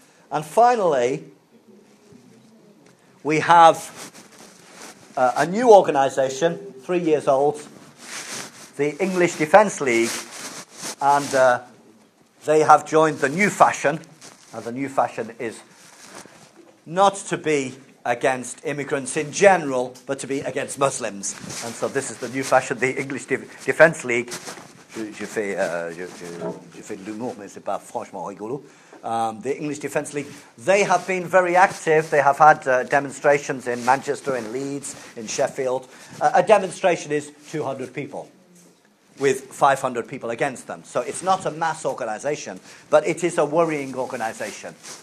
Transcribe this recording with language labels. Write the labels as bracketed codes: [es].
[en] And finally, we have a new organisation, 3 years old, the English Defence League, and they have joined the new fashion, and the new fashion is not to be against immigrants in general, but to be against Muslims. And so this is the new fashion, the English Defence League. [fr] Je fais de l'humour, mais c'est pas franchement rigolo. [en] The English Defence League, they have been very active. They have had demonstrations in Manchester, in Leeds, in Sheffield. A demonstration is 200 people with 500 people against them. So it's not a mass organisation, but it is a worrying organisation.